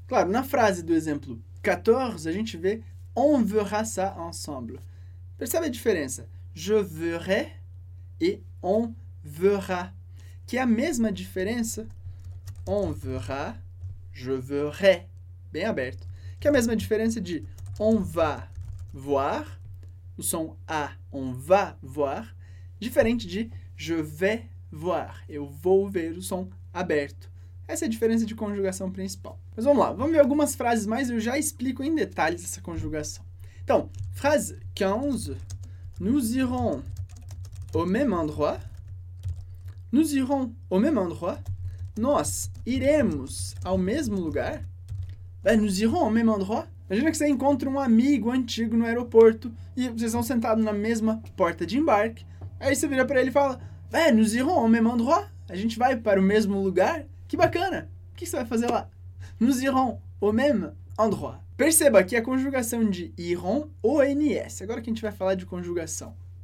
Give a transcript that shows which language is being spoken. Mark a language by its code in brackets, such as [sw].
[pt] Claro, na frase do exemplo 14, a gente vê [fr] on verra ça ensemble. [pt] Percebe a diferença? [fr] Je verrai et on verra. [pt] Que é a mesma diferença. [fr] On verra, je verrai. [pt] Bem aberto. Que é a mesma diferença de [fr] on va voir. [pt] O som A, [fr] on va voir. [pt] Diferente de [fr] je vais voir. [pt] Eu vou ver, o som aberto. Essa é a diferença de conjugação principal. Mas vamos lá, vamos ver algumas frases mais. Eu já explico em detalhes essa conjugação. Então, frase 15. [fr] Nous irons au même endroit. Nous irons au même endroit. [pt] Nós iremos ao mesmo lugar. [fr] Ben, nous irons au même endroit. [pt] Imagina que você encontra um amigo antigo no aeroporto e vocês estão sentados na mesma porta de embarque. Aí você vira para ele e fala, [fr] ben, nous irons au même endroit. [pt] A gente vai para o mesmo lugar? Que bacana! O que você vai fazer lá? Nous irons au même endroit. Perceba que a conjugação de irons, O-N-S. Agora que a gente vai falar de conjugação.